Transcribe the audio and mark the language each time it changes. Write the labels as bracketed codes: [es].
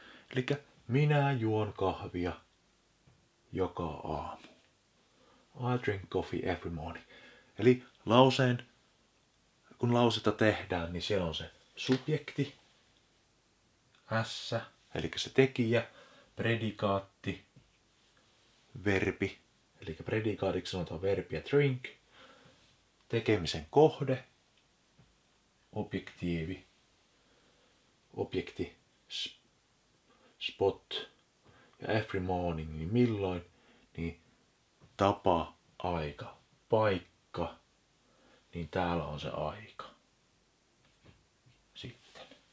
[fi] Eli minä juon kahvia joka aamu. [en] I drink coffee every morning. [fi] Eli lauseen, kun lausetta tehdään, niin siellä on se subjekti, S, eli se tekijä, predikaatti, verbi, eli predikaatiksi sanotaan verbi ja drink, tekemisen kohde, objektiivi, objekti, spot, ja [en] every morning, [fi] niin milloin, niin tapa, aika, paikka, niin täällä on se aika. Sitten.